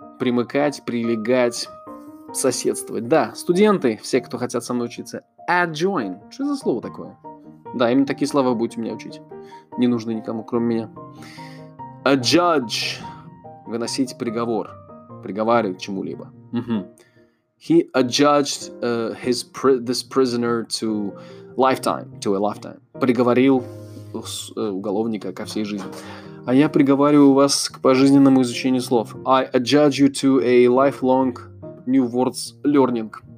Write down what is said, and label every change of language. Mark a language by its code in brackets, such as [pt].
[ru] Примыкать, прилегать, соседствовать. Да, студенты, все, кто хотят со мной учиться. Adjoin. Что за слово такое? Да, именно такие слова будете меня учить. Не нужны никому, кроме меня. A judge. Выносить приговор. Приговаривать к чему-либо. [en] He adjudged this prisoner to lifetime, to a lifetime. [ru] Приговорил уголовника ко всей жизни. А я приговариваю вас к пожизненному изучению слов. [en] I adjudge you to a lifelong new words learning.